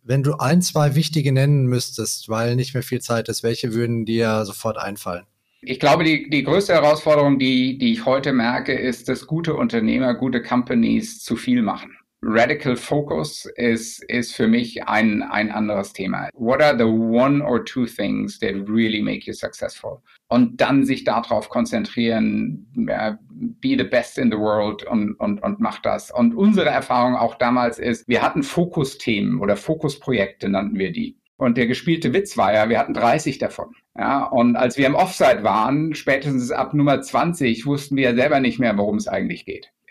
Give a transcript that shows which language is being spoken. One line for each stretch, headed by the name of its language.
German: Wenn du ein, zwei wichtige nennen müsstest, weil nicht mehr viel Zeit ist, welche würden dir sofort einfallen? Ich glaube, die größte Herausforderung, die ich heute merke, ist, dass gute Unternehmer, gute Companies zu viel machen. Radical Focus ist für mich ein anderes Thema.
English: What are the one or two things that really make you successful?
German: Und dann sich darauf konzentrieren, be the best in the world und mach das. Und unsere Erfahrung auch damals ist, wir hatten Fokusthemen oder Fokusprojekte nannten wir die. Und der gespielte Witz war ja, wir hatten 30 davon. Ja, und als wir im Offside waren, spätestens ab Nummer 20, wussten wir ja selber nicht mehr, worum es eigentlich geht.